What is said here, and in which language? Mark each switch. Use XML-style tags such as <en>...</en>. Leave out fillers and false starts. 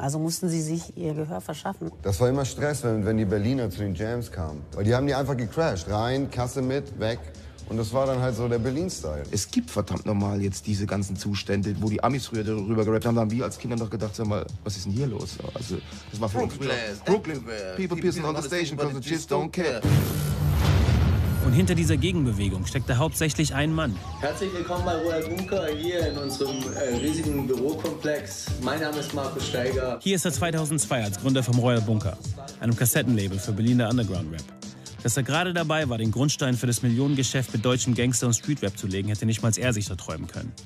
<de>Also mussten sie sich ihr Gehör verschaffen. Das war immer Stress, wenn die Berliner zu den Jams kamen. Weil die haben die einfach gecrashed. Rein, Kasse mit, weg. Und das war dann halt so der Berlin-Style. Es gibt verdammt nochmal jetzt diese ganzen Zustände, wo die Amis früher darüber gerappt haben. Da haben wir als Kinder noch gedacht, sag mal, was ist denn hier los? Also, das war für uns Brooklyn,</de> <en>people pissing on the station, because the chips don't care.</en> <de>Und hinter dieser Gegenbewegung steckte hauptsächlich ein Mann. Herzlich willkommen bei Royal Bunker hier in unserem riesigen Bürokomplex. Mein Name ist Markus Steiger. Hier ist er 2002 als Gründer vom Royal Bunker, einem Kassettenlabel für Berliner Underground-Rap. Dass er gerade dabei war, den Grundstein für das Millionengeschäft mit deutschem Gangster und Streetrap zu legen, hätte nicht mal er sich erträumen können.</de>